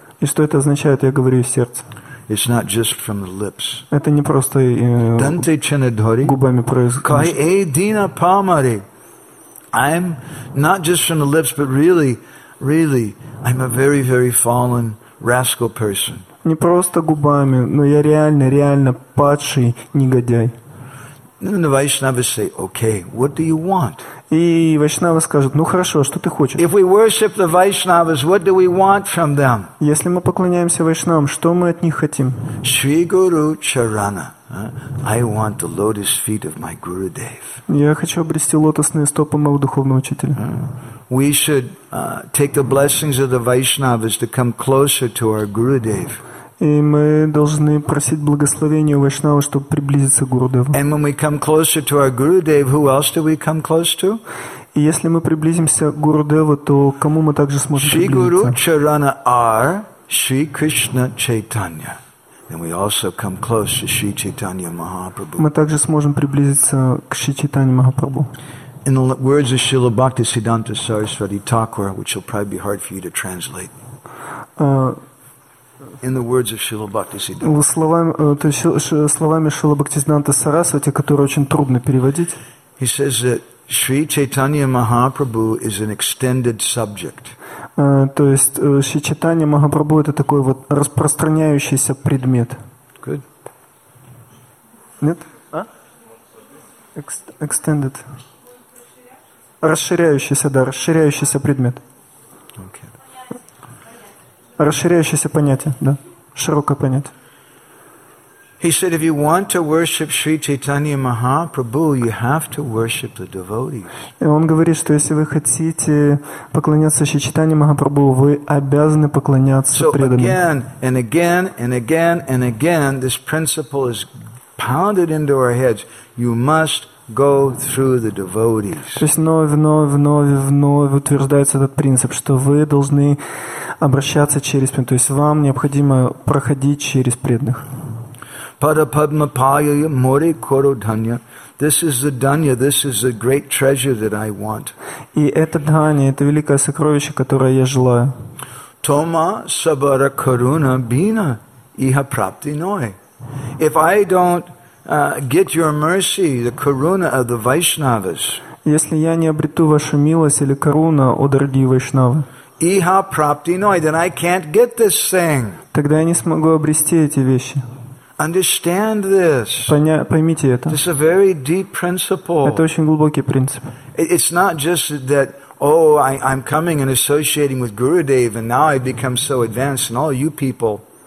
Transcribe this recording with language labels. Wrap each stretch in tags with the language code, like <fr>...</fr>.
<ru>И что это означает? Я говорю из сердца.</ru> <en>It's not just from the lips.</en> <ru>Это не просто</ru> <bn>Dante Trinadhari,</bn> <ru>губами произносит.</ru> <bn>Kai e dina pamari.</bn> <en>I'm not just from the lips, but really, really, I'm a very, very fallen, rascal person.</en> <ru>Не просто губами, но я реально, реально падший негодяй.</ru> <en>And the Vaishnava say, okay, what do you want?</en> <ru>И Вайшнава скажет, ну хорошо, что ты хочешь?</ru> <en>If we worship the Vaishnavas, what do we want from them?</en> <ru>Если мы поклоняемся Вайшнавам, что мы от них хотим?</ru> <bn>Shri Guru Charana,</bn> <en>I want the lotus feet of my Gurudev.</en> <ru>Я хочу обрести лотосные стопы моего духовного учителя.</ru> <en>We should take the blessings of the Vaishnavas to come closer to our Gurudev.</en> <ru>И мы должны просить благословения у Вайшнава, чтобы приблизиться к Гурудеву.</ru> <en>And when we come closer to our Gurudev, who else do we come close to?</en> <ru>И если мы приблизимся к Гурудеву, то кому мы также сможем</ru> <bn>Shri</bn> <ru>приблизиться?</ru> <bn>Shri Guru Charana are Shri Krishna Chaitanya.</bn> <en>Then we also come close to Shri Chaitanya Mahaprabhu.</en> <ru>Мы также сможем приблизиться к Шри Чайтанье Махапрабху.</ru> <en>In the words of Srila Bhaktisiddhanta Saraswati Thakur, which will probably be hard for you to translate. In the words of Srila Bhaktisiddhanta.</en> <ru>Словами Шрила Бхактисиддханта Сарасвати, которые очень трудно переводить.</ru> <en>He says that Shri Chaitanya Mahaprabhu is an extended subject.</en> <ru>То есть Шри Чайтанья Махапрабху это такой вот распространяющийся предмет.</ru> <en>Good.</en> <ru>Нет? А?</ru> <en>Extended.</en> <ru>Расширяющийся, да, расширяющийся предмет.</ru> <en>Okay.</en> <ru>Расширяющееся понятие, да, широкое понятие.</ru> <en>He said, if you want to worship Sri Chaitanya Mahaprabhu, you have to worship the devotees.</en> <ru>И он говорит, что если вы хотите поклоняться Шри Чайтанье Махапрабху, вы обязаны поклоняться преданным.</ru> <en>So again and again and again and again, this principle is pounded into our heads. You must go through the devotees.</en> <ru>То есть вновь утверждается этот принцип, что вы должны обращаться через преданных. То есть вам необходимо проходить через преданных.</ru> <bn>Парападмапайя море коро дханья.</bn> <en>This is the dhanya, this is the great treasure that I want.</en> <ru>И это дханья, это великое сокровище, которое я желаю.</ru> <bn>Тома сабара коруна бина иха прапти ной.</bn> <en>If I don't get your mercy, the karuna of the Vaishnavas.</en> <ru>Если я не обрету вашу милость или коруна, о дорогие Вайшнавы.</ru> <bn>Iha prapti noi,</bn> <en>then I can't get this thing.</en> <ru>Тогда я не смогу обрести эти вещи.</ru> <en>Understand this.</en> <ru>Поймите это.</ru> <en>This is a very deep principle.</en> <ru>Это очень глубокий принцип.</ru> <en>It's not just that. Oh, I'm coming and associating with Gurudev, and now I become so advanced, and all you people.</en>